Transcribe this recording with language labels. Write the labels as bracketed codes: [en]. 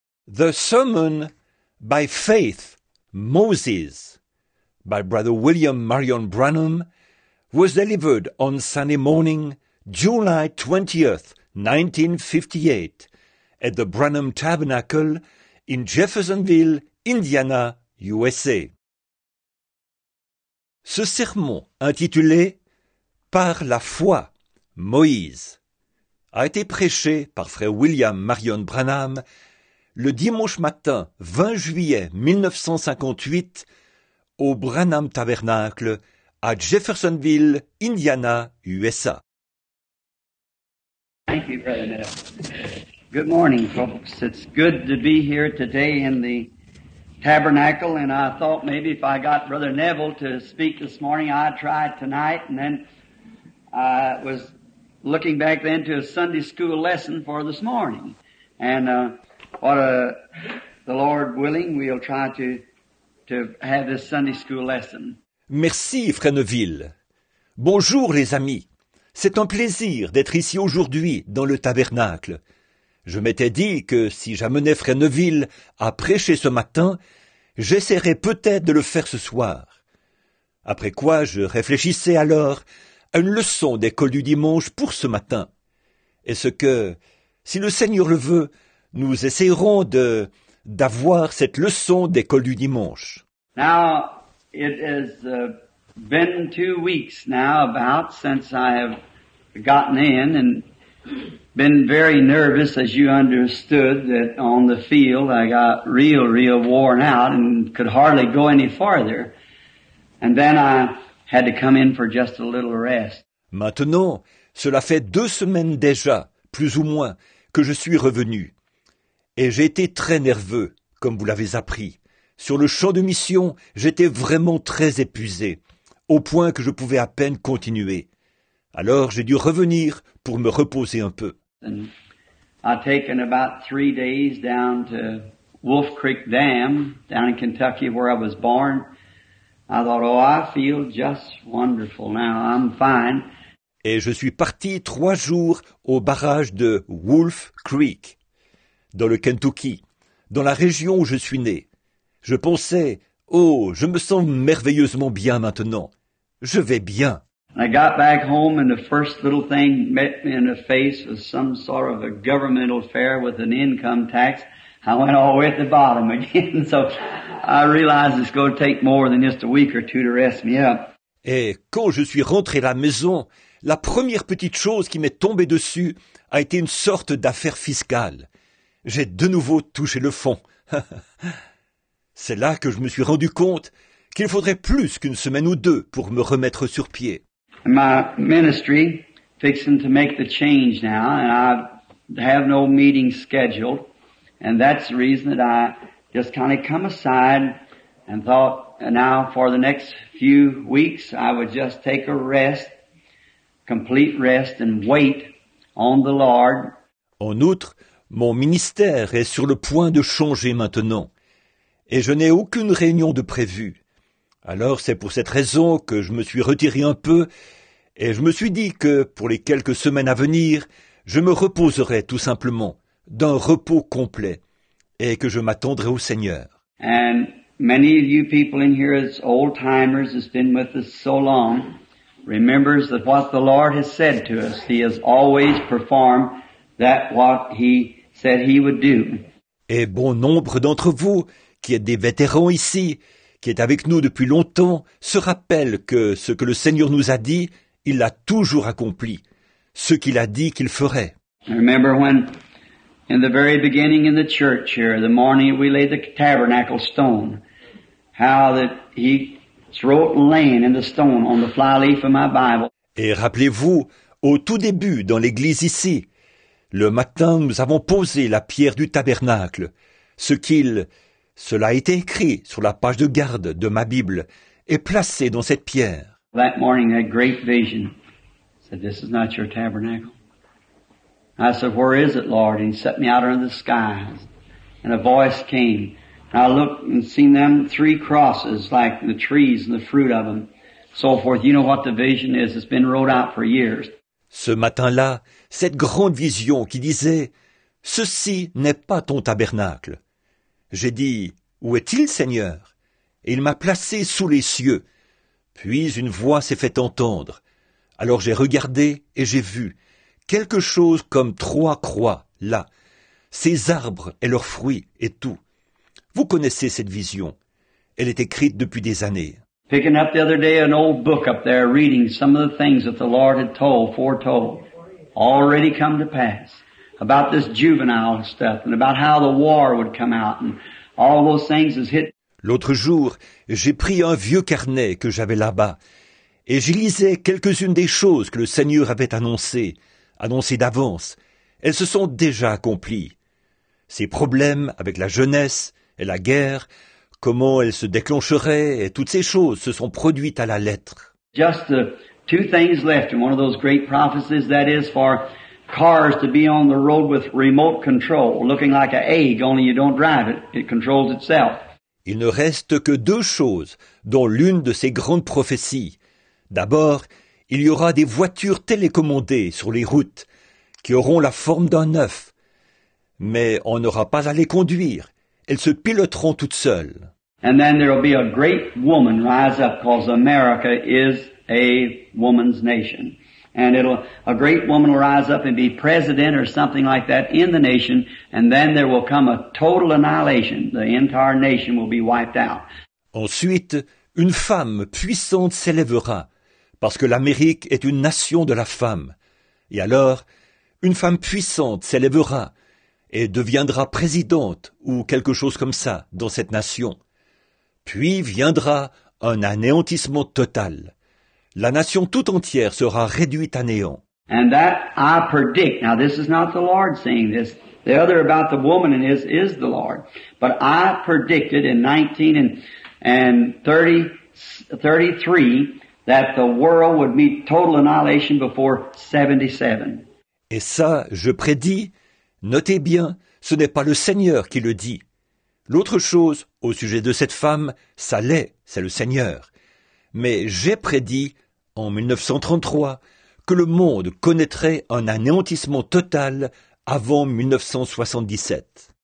[en] The Sermon by Faith, Moses, by Brother William Marion Branham, was delivered on Sunday morning, July 20th, 1958, at the Branham Tabernacle in Jeffersonville, Indiana, USA. [fr] Ce sermon intitulé « Par la foi, Moïse » a été prêché par Frère William Marion Branham le dimanche matin 20 juillet 1958 au Branham Tabernacle à Jeffersonville, Indiana, USA. [en] Thank you, Brother Neville. Good morning, folks. It's good to be here today in the tabernacle, and I thought maybe if I got Brother Neville to speak this morning, I'd try it tonight. And then I was looking back then to a Sunday school lesson for this morning. And the Lord willing, we'll try to have this Sunday school lesson. [fr] Merci, Frère Neville. Bonjour, les amis. C'est un plaisir d'être ici aujourd'hui dans le tabernacle. Je m'étais dit que si j'amenais Frère Neville à prêcher ce matin, j'essaierais peut-être de le faire ce soir. Après quoi, je réfléchissais alors à une leçon d'école du dimanche pour ce matin. Est-ce que, si le Seigneur le veut, nous essaierons d'avoir cette leçon d'école du dimanche. [en] Now, it has been 2 weeks now about since I have gotten in and been very nervous, as you understood, that on the field I got real, real worn out and could hardly go any farther. And then I had to come in for just a little rest. [fr] Maintenant, cela fait 2 semaines déjà, plus ou moins, que je suis revenu. Et j'ai été très nerveux, comme vous l'avez appris. Sur le champ de mission, j'étais vraiment très épuisé, au point que je pouvais à peine continuer. Alors j'ai dû revenir pour me reposer un peu. [en] And I've taken about 3 days down to Wolf Creek Dam, down in Kentucky, where I was born. I thought, oh, I feel just wonderful now, I'm fine. [fr] Et je suis parti 3 jours au barrage de Wolf Creek, dans le Kentucky, dans la région où je suis né. Je pensais, oh, je me sens merveilleusement bien maintenant. Je vais bien. [en] I got back home and the first little thing met me in the face was some sort of a governmental affair with an income tax. I went all the way at the bottom again, so I realized it's going to take more than just a week or two to rest me up. [fr] Et quand je suis rentré à la maison, la première petite chose qui m'est tombée dessus a été une sorte d'affaire fiscale. J'ai de nouveau touché le fond. C'est là que je me suis rendu compte qu'il faudrait plus qu'une semaine ou deux pour me remettre sur pied. [en] My ministry fixing to make the change now, and I have no meeting scheduled, and that's the reason that I just kind of come aside and thought, now for the next few weeks, I would just take a rest, complete rest, and wait on the Lord. [fr] En outre, mon ministère est sur le point de changer maintenant, et je n'ai aucune réunion de prévue. Alors c'est pour cette raison que je me suis retiré un peu et je me suis dit que pour les quelques semaines à venir, je me reposerai tout simplement d'un repos complet et que je m'attendrai au Seigneur. [en] And many of you people in here as old timers has been with us so long remembers that what the Lord has said to us, he has always performed that what he said he would do. [fr] Et bon nombre d'entre vous qui êtes des vétérans ici, qui est avec nous depuis longtemps, se rappelle que ce que le Seigneur nous a dit, il l'a toujours accompli, ce qu'il a dit qu'il ferait. [en] I remember when, in the very beginning in the church here, the morning we laid the tabernacle stone, how that he wrote laying in the stone on the flyleaf of my Bible. [fr] Et rappelez-vous, au tout début dans l'église ici, le matin nous avons posé la pierre du tabernacle, ce qu'il... Cela a été écrit sur la page de garde de ma Bible et placé dans cette pierre. [en] That morning, a great vision. I said, this is not your tabernacle. I said, where is it, Lord? And he set me out under the skies. And a voice came. And I looked and seen them 3 crosses, like the trees and the fruit of them, so forth. You know what the vision is. It's been wrote out for years. [fr] Ce matin-là, cette grande vision qui disait, ceci n'est pas ton tabernacle. J'ai dit, « Où est-il, Seigneur ?» Et il m'a placé sous les cieux. Puis une voix s'est fait entendre. Alors j'ai regardé et j'ai vu quelque chose comme trois croix, là, ces arbres et leurs fruits et tout. Vous connaissez cette vision. Elle est écrite depuis des années. [en] Picking up the other day an old book up there, reading some of the things that the Lord had told, foretold, already come to pass, about this juvenile stuff, and about how the war would come out, and all those things has hit. [fr] L'autre jour, j'ai pris un vieux carnet que j'avais là-bas, et j'y lisais quelques-unes des choses que le Seigneur avait annoncées d'avance. Elles se sont déjà accomplies. Ces problèmes avec la jeunesse et la guerre, comment elle se déclencherait, et toutes ces choses se sont produites à la lettre. [en] Just the two things left in one of those great prophecies, that is for cars to be on the road with remote control, looking like an egg, only you don't drive it, it controls itself. [fr] Il ne reste que deux choses dans l'une de ces grandes prophéties. D'abord, il y aura des voitures télécommandées sur les routes qui auront la forme d'un œuf, mais on n'aura pas à les conduire. Elles se piloteront toutes seules. [en] And then there will be a great woman rise up, because America is a woman's nation. And a great woman will rise up and be president or something like that in the nation, and then there will come a total annihilation. The entire nation will be wiped out. [fr] Ensuite, une femme puissante s'élèvera, parce que l'Amérique est une nation de la femme. Et alors, une femme puissante s'élèvera, et deviendra présidente ou quelque chose comme ça dans cette nation. Puis viendra un anéantissement total. La nation tout entière sera réduite à néant. [en] And that I predict. Now this is not the Lord saying this. The other about the woman and this is the Lord. But I predicted in 1933 that the world would meet total annihilation before 77. [fr] Et ça, je prédis. Notez bien, ce n'est pas le Seigneur qui le dit. L'autre chose, au sujet de cette femme, ça l'est, c'est le Seigneur. Mais j'ai prédit, en 1933, que le monde connaîtrait un anéantissement total avant 1977.